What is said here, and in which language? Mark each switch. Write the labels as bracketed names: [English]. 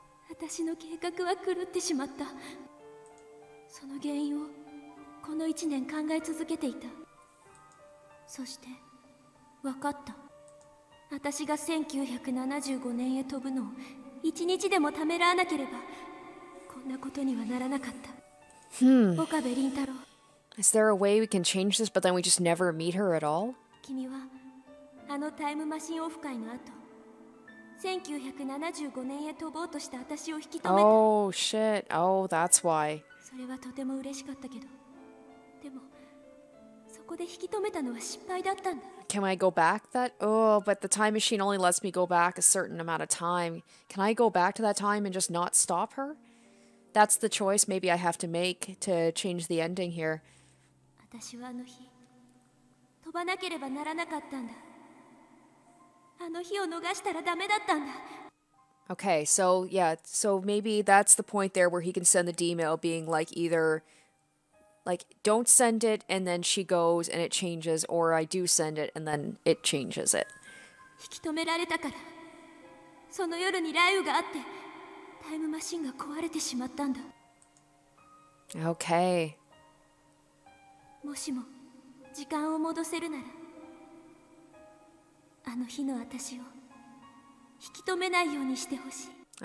[Japanese] 私の計画は狂ってしまった。その原因をこの1年考え続けていた。そして分かった。私が1975年へ飛ぶのを1日でもためらわなければこんなことにはならなかった。岡部凛太郎。 [English] Is there a way we can change this but then we just never meet her at all? [Japanese] 君はあのタイムマシンオフ会の後1975年へ飛ぼうとした私を引き止めた。 [English] Oh, shit. Oh, that's why. [Japanese] それはとても嬉しかったけど、でもそこで引き止めたのは失敗だったんだ。 [English] Can I go back that? Oh, but the time machine only lets me go back a certain amount of time. Can I go back to that time and just not stop her? That's the choice maybe I have to make to change the ending here. [Japanese] 私はあの日、飛ばなければならなかったんだ。あの日を逃したらダメだったんだ。 [English] Okay, so yeah, so maybe that's the point there where he can send the email being like either... Like, don't send it, and then she goes, and it changes, or I do send it, and then it changes it. [Japanese] 引き止められたから、その夜に雷雨があって、タイムマシンが壊れてしまったんだ。 [English] Okay. [Japanese] もしも時間を戻せるなら、あの日の私を引き止めないようにしてほしい。